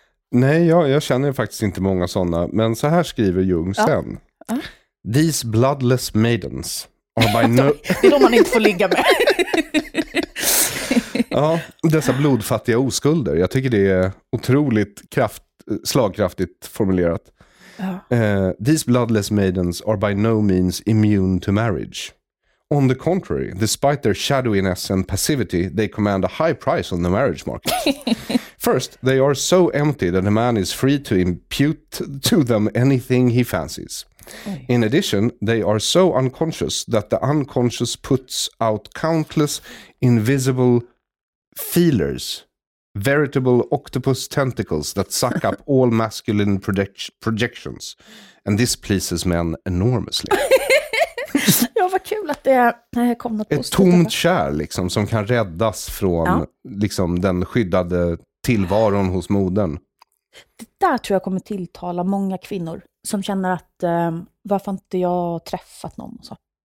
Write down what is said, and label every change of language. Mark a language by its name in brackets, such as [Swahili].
[Swedish] Nej, jag känner faktiskt inte många sådana. Men så här skriver Jung sen. [English] These bloodless maidens are by no... [Swedish] Det är de man inte får ligga med. Ja, dessa blodfattiga oskulder. Jag tycker det är otroligt slagkraftigt formulerat. [English] These bloodless maidens are by no means immune to marriage. On the contrary, despite their shadowiness and passivity, they command a high price on the marriage market. First, they are so empty that a man is free to impute to them anything he fancies. In addition, they are so unconscious that the unconscious puts out countless invisible feelers, veritable octopus tentacles that suck up all masculine projections. And this pleases men enormously. [Swedish] Ja, vad kul att det kom något. Ett tomt kär liksom, som kan räddas från liksom, den skyddade tillvaron hos modern. Det där tror jag kommer tilltala många kvinnor som känner att varför inte jag träffat någon? Och så.